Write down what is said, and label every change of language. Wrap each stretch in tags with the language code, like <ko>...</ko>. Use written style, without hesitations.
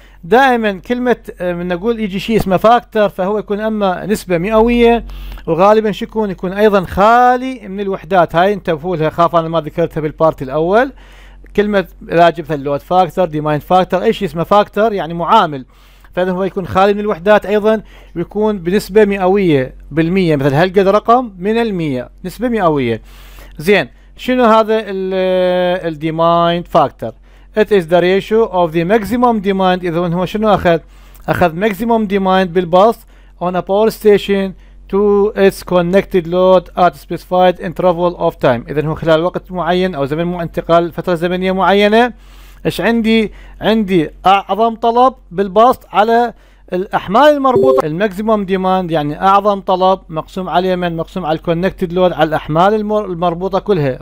<ar>دائما كلمه من نقول يجي شيء اسمه فاكتور، فهو يكون اما نسبه مئويه، وغالبا شو يكون؟ يكون ايضا خالي من الوحدات. هاي انتبهوا لها، خاف انا ما ذكرتها بالبارت الاول. كلمه راجبها اللود فاكتور، ديمايند فاكتور، اي شيء اسمه فاكتور يعني معامل. فإذا هو يكون خالي من الوحدات أيضا ويكون بنسبة مئوية بالمية، مثل هالقد رقم من المية نسبة مئوية. زين، شنو هذا الـ</ar> <en>demand factor؟ It is the ratio of the maximum demand.</en> <ar>إذا هو شنو أخذ؟ أخذ</ar> <en>maximum demand بالباص on a power station to its connected load at specified interval of time.</en> <ar>إذا هو خلال وقت معين أو زمن انتقال فترة زمنية معينة، ايش عندي اعظم طلب بالبسط على الاحمال المربوطه. الماكسيمم ديماند يعني اعظم طلب مقسوم على اليمن مقسوم على الكونكتد لود على الاحمال المربوطه كلها.</ar>